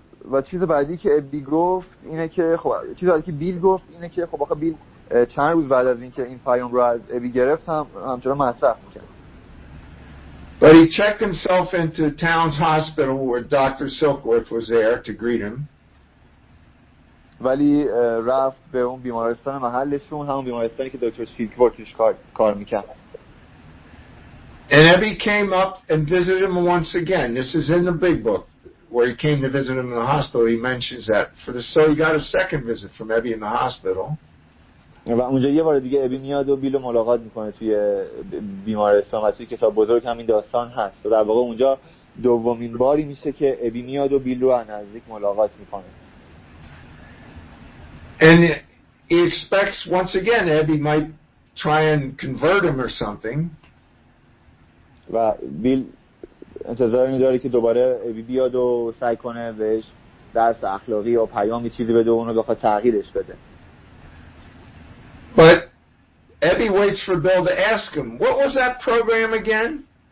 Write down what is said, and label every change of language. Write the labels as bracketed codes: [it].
[fa] و چیز بعدی که ابی گفت اینه که خب چیز بعدی که بیل گفت اینه که خب آخه بیل چند روز بعد از اینکه این پیام رو از ابی گرفت هم همچنان مصرف می‌کرد. [en] But he checked himself into town's hospital where Dr. Silkworth was there to greet him. [fa] ولی رفت به اون بیمارستان محلشون، همون بیمارستانی که دکتر سیلکورتش کار می‌کرد. [en] And Ebi came up and visited him once again. This is in the big book where he came to visit him in the hospital. He mentions that. So he got a second visit from Ebi in the hospital. [fa] و اونجا یه بار دیگه ابی میاد و بیلو ملاقات میکنه توی بیمارستان و توی کتاب بزرگ همین داستان هست و در واقع اونجا دومین باری میشه که ابی میاد و بیلو از نزدیک ملاقات میکنه. [en] And he expects once again Ebi might try and convert him or something. [fa] و بیل انتظار میداره که دوباره ابی بیاد و سعی کنه بهش درس اخلاقی و پیامی چیزی بده و اونو بخواد تغییرش بده. [en] But Ebi waits for Bill to ask him, what was that program again?